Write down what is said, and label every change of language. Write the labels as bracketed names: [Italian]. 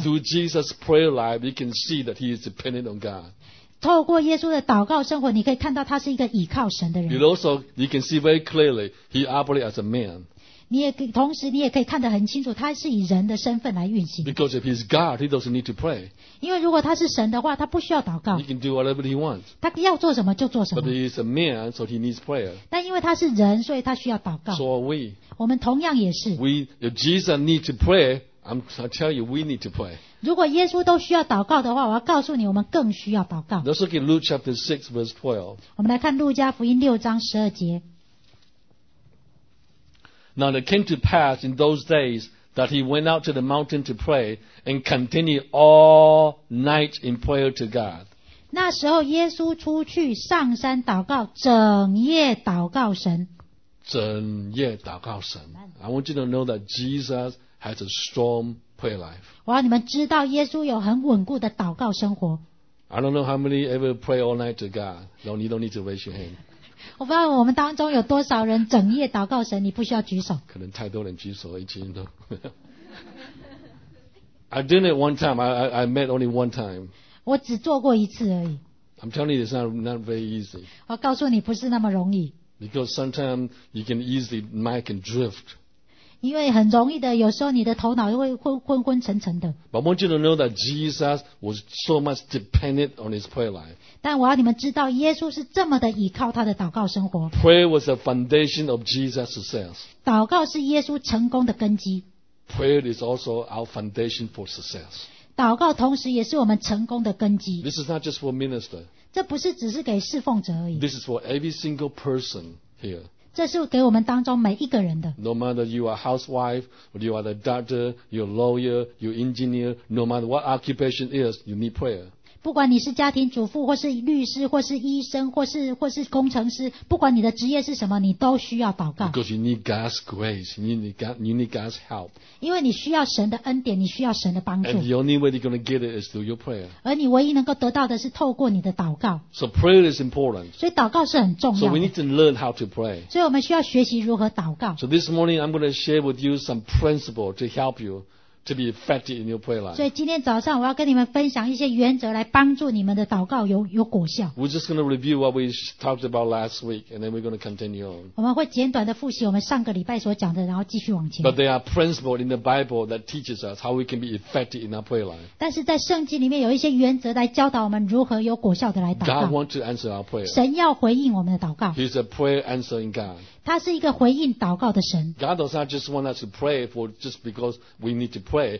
[English] Through Jesus' prayer life, we can see that he is dependent on God. [Chinese] 透过耶稣的祷告生活，你可以看到他是一个倚靠神的人。 [English] You also, you can see very clearly he operates as a man. [Chinese] 同时你也可以看得很清楚，他是以人的身份来运行。 [English] Because if he's God, he doesn't need to pray. [Chinese] 因为如果他是神的话，他不需要祷告。 [English] He can do whatever he wants. [Chinese] 他要做什么就做什么。 [English] But he is a man, so he needs prayer. [Chinese] 但因为他是人，所以他需要祷告。 [English] So are we. [Chinese] 我们同样也是。 [English] If Jesus needs to pray,I tell you, we need to pray. [Chinese] 如果耶稣都需要祷告的话，我要告诉你，我们更需要祷告。 [English] Let's look at Luke chapter 6, verse 12. [Chinese] 我们来看路加福音六章十二节。 [English] Now it came to pass in those days that he went out to the mountain to pray and continued all night in prayer to God. [Chinese] 那时候耶稣出去上山祷告，整夜祷告神。整夜祷告神。 [English] I want you to know that Jesus. Has a strong prayer life. [Chinese] 我要你们知道，耶稣有很稳固的祷告生活。 [English] I don't know how many ever pray all night to God. No, you don't need to raise your hand. [Chinese] 我不知道我们当中有多少人整夜祷告神，你不需要举手。可能太多人举手，已经都。 [English] I did it one time. I met only one time. [Chinese] 我只做过一次而已。 [English] I'm telling you, it's not very easy. [Chinese] 我告诉你，不是那么容易。 [English] Because sometimes you can easily mind can drift. [Chinese] 因为很容易的，有时候你的头脑会昏昏沉沉的。 [English] But I want you to know that Jesus was so much dependent on his prayer life. [Chinese] 但我要你们知道，耶稣是这么的依靠他的祷告生活。 [English] Prayer was the foundation of Jesus' success. [Chinese] 祷告是耶稣成功的根基。 [English] Prayer is also our foundation for success. [Chinese] 祷告同时也是我们成功的根基。 [English] This is not just for minister. [Chinese] 这不是只是给侍奉者而已。 [English] This is for every single person here. [Chinese] 这是给我们当中每一个人的。 [English] No matter you are housewife, or you are the doctor, you're a lawyer, you're engineer, no matter what occupation is, you need prayer. [Chinese] 不管你是家庭主妇，或是律师，或是医生，或是工程师，不管你的职业是什么，你都需要祷告。 [English] Because you need God's grace, you need God's help. [Chinese] 因为你需要神的恩典，你需要神的帮助。 [English] And the only way you're going to get it is through your prayer. [Chinese] 而你唯一能够得到的是透过你的祷告。 [English] So prayer is important. [Chinese] 所以祷告是很重要的。 [English] So we need to learn how to pray. [Chinese] 所以我们需要学习如何祷告。 [English] So this morning I'm going to share with you some principle to help you. To be effective in your prayer life. [Chinese] 所以今天早上我要跟你们分享一些原则来帮助你们的祷告 有果效。 [English] We're just going to review what we talked about last week and then we're going to continue on. [Chinese] 我们会简短的复习我们上个礼拜所讲的然后继续往前。 [English] But there are principles in the Bible that teaches us how we can be effective in our prayer life. [Chinese] 但是在圣经里面有一些原则来教导我们如何有果效的来祷告。 [English] God wants to answer our prayer. [Chinese] 神要回应我们的祷告。 [English] He's a prayer answering God. [Chinese] 他是一个回应祷告的神。 [English] God does not just want us to pray for just because we need to pray.